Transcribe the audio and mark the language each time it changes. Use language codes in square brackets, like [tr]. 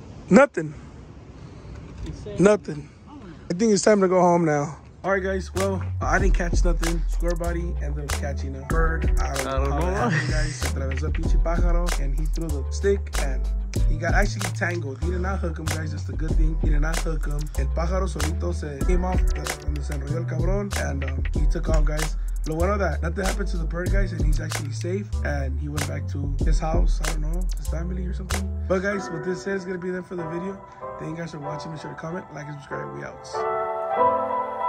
[en] Nothing. Nothing. I think it's time to go home now. All right, guys. Well, I didn't catch nothing. Squirrel buddy ended up catching a bird. I don't know. And he threw the stick and he got actually tangled. He did not hook him, guys. That's the good thing. He did not hook him. [es] El pájaro solito se [en] came off [es] donde se enrolló el cabrón. [en] And he took off, guys. [es] Lo bueno [en] that nothing happened to the bird, guys, and he's actually safe. And he went back to his house, I don't know, his family or something. But guys, what this is gonna be there for the video. Thank you guys for watching. Make sure to comment, like, and subscribe. We out.